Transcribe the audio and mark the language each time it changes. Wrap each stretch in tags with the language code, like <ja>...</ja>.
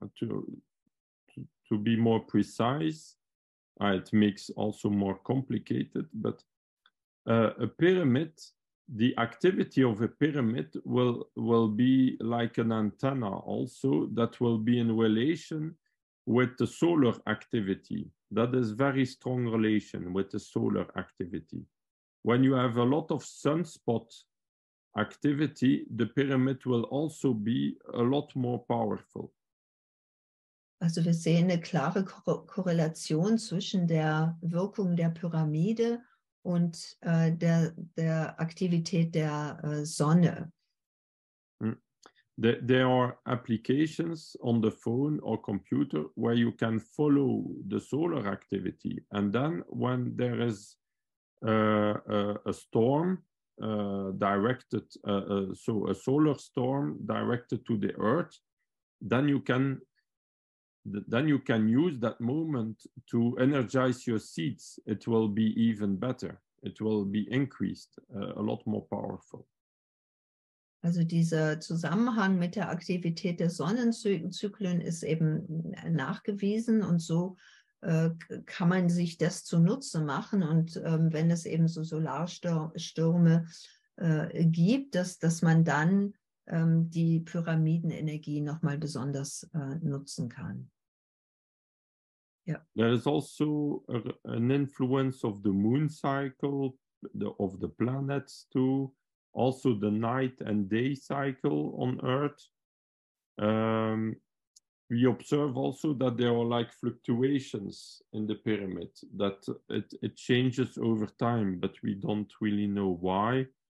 <en>So to be more precise, it makes also more complicated, but a pyramid, the activity of a pyramid will be like an antenna also that will be in relation with the solar activity. That is very strong relation with the solar activity. When you have a lot of sunspot activity, the pyramid will also be a lot more powerful.</en> <de>Also wir sehen eine klare Korrelation zwischen der Wirkung der Pyramide und der Aktivität der Sonne.</de> <en>There are applications on the phone or computer where you can follow the solar activity, and then when there is a storm a solar storm directed to the Earth, then you can use that moment to energize your seeds. It will be even better. It will be increased, a lot more powerful.</en> <de>Also dieser Zusammenhang mit der Aktivität der Sonnenzyklen ist eben nachgewiesen und so kann man sich das zunutze machen und wenn es eben so Solarstürme gibt, dass man dann die Pyramidenenergie nochmal besonders nutzen kann.</de> <en>There is also an influence of the moon cycle, of the planets too, also the night and day cycle on Earth. We observe also that there are like fluctuations in the pyramid, that it changes over time, but we don't really know why.</en>